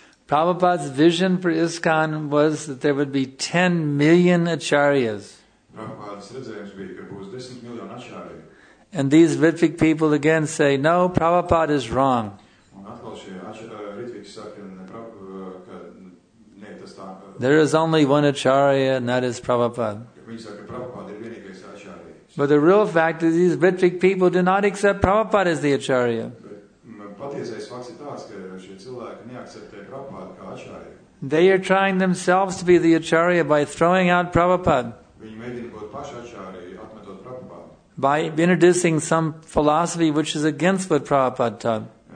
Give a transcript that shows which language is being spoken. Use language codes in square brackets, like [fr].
[en] Prabhupada's vision for ISKCON was that there would be 10 million acharyas. [lv] Prabhupada's redzējums bija, ka būs 10 miljoni acharyi. [en] And these Ritvik people again say, no, Prabhupada is wrong. [lv] Un atkal šie Ritvik saka, ka ne, tas tā. [en] There is only one acharya, and that is Prabhupada. [lv] Viņi saka, ka Prabhupada ir vienīgais acharya. [en] But the real fact is these Ritvik people do not accept Prabhupada as the acharya. [lv] Patiesais fakts ir tāds, ka šie cilvēki neakceptē Prabhupada kā acharya. [en] They are trying themselves to be the acharya by throwing out Prabhupada. [lv] Viņi mēģina būt paši acharya, atmetot Prabhupada. [en] By introducing some philosophy which is against what Prabhupada taught.